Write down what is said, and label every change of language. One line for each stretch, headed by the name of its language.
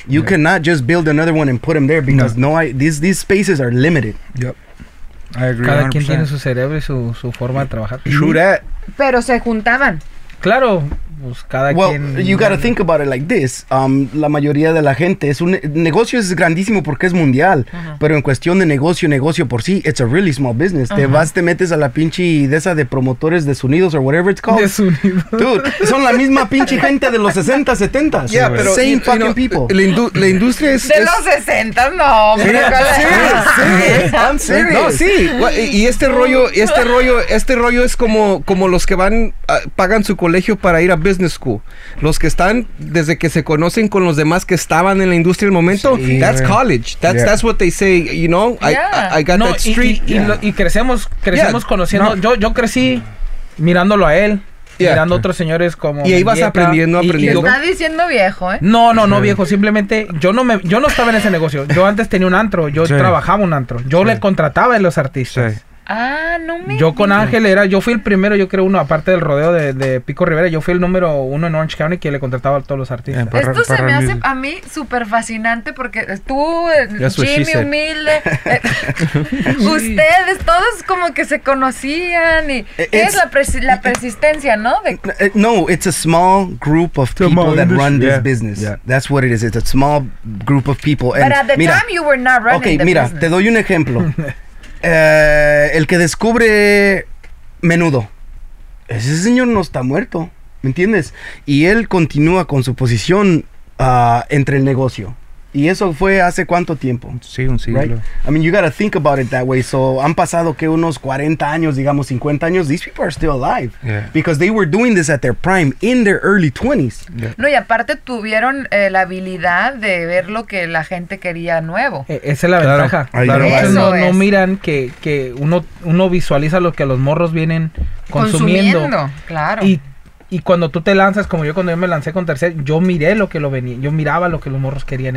English: You cannot just build another one and put them there because these spaces are limited. Yep. I agree.
Spanish: Cada
English: 100%.
Spanish: Quien tiene su cerebro y su forma de trabajar.
English: True that.
Spanish: Pero se juntaban. Claro. pues cada quien...
English: you gotta think about it like this.
Spanish: La mayoría de la gente, es un negocio es grandísimo porque es mundial, pero en cuestión de negocio, negocio por sí,
English: it's a really small business.
Spanish: Te vas, te metes a la pinche de esa de promotores de Sunidos
English: or whatever it's called.
Spanish: De Sunidos. Dude, son la misma pinche gente de los 60, 70.
English: Yeah,
Spanish: sí, pero...
English: Same you, fucking you know, people.
Spanish: La industria es... De es, los 60, no. Sí, y este rollo es como los que van pagan su colegio para ir a business school, los que están desde que se conocen con los demás que estaban en la industria en el momento. Sí,
English: that's college, that's what they say, you know. I got that street.
Spanish: Y crecemos conociendo. Yo crecí mirándolo a él. Mirando otros señores como... Y ahí vas aprendiendo. Y está diciendo viejo, ¿eh? No, viejo. Simplemente, yo no estaba en ese negocio. Yo antes tenía un antro. Yo trabajaba un antro. Yo le contrataba a los artistas. Sí. Ah, no me... Yo con Ángel era... Yo fui el primero, yo creo, uno, aparte del rodeo de Pico Rivera. Yo fui el número uno en Orange County que le contrataba a todos los artistas. Esto se me hace a mí súper fascinante porque tú, Jimmy Humilde, ustedes, todos como que se conocían y... ¿Qué es la persistencia, no?
English: It's a small group of people that run this business. Yeah. That's what it is. It's a small group of people. But at the time you were not running the business.
Spanish: Ok, mira, te doy un ejemplo. El que descubre Menudo, ese señor no está muerto, ¿me entiendes? Y él continúa con su posición entre el negocio. ¿Y eso fue hace cuánto tiempo? Sí, un siglo.
English: Right? I mean, you gotta think about it that way. So,
Spanish: han pasado, ¿qué? Unos 40 años, digamos, 50 años.
English: These people are still alive. Yeah. Because they were doing this at their prime, in their early 20s. Yeah.
Spanish: No, y aparte tuvieron la habilidad de ver lo que la gente quería nuevo. Esa es la ventaja. Claro. No miran que uno visualiza lo que los morros vienen consumiendo. Claro. Y cuando tú te lanzas, como yo cuando yo me lancé con Tercer, yo miré lo que lo venía, yo miraba lo que los morros querían.